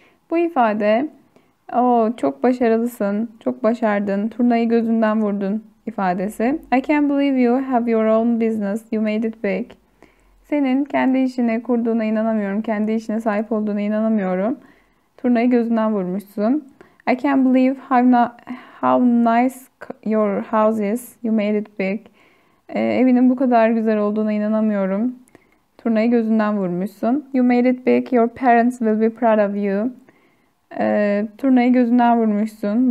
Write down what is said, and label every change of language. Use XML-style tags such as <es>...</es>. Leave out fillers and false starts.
<tr>Bu ifade, "Oh, çok başarılısın, çok başardın, turnayı gözünden vurdun" ifadesi.</tr> <en>"I can't believe you have your own business, you made it big."</en> <tr>Senin kendi işini kurduğuna inanamıyorum, kendi işine sahip olduğuna inanamıyorum. Turnayı gözünden vurmuşsun.</tr> <en>"I can't believe how nice your house is, you made it big."</en> <tr>Evinin bu kadar güzel olduğuna inanamıyorum. Turnayı gözünden vurmuşsun.</tr> <en>You made it big. Your parents will be proud of you.</en> <tr>Turnayı gözünden vurmuşsun.</tr>